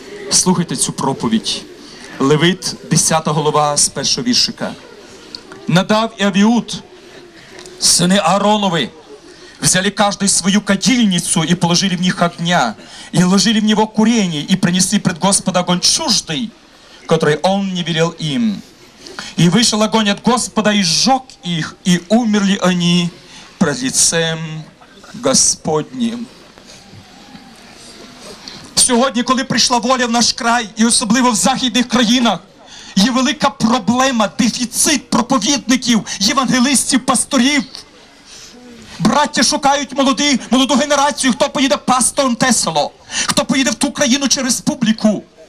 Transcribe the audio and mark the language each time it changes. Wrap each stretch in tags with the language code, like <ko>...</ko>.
<uk>Слухайте цю проповідь. Левит, 10 глава з 1 віршика. Надав і Авіуд, сини Ааронови, взяли кожний свою кадільницю і положили в них огня, і вложили в нього куріння, і принесли пред Господа огонь чуждий,</uk> <ru>который он не велел им. И вышел огонь от Господа, и сжег их, и умерли они пред лицем Господним.</ru> <uk>Сьогодні, коли прийшла воля в наш край, і особливо в західних країнах, є велика проблема, дефіцит проповідників, євангелистів, пасторів. Браття шукають молоду генерацію, хто поїде пастором Тесело, хто поїде в ту країну чи республіку.</uk>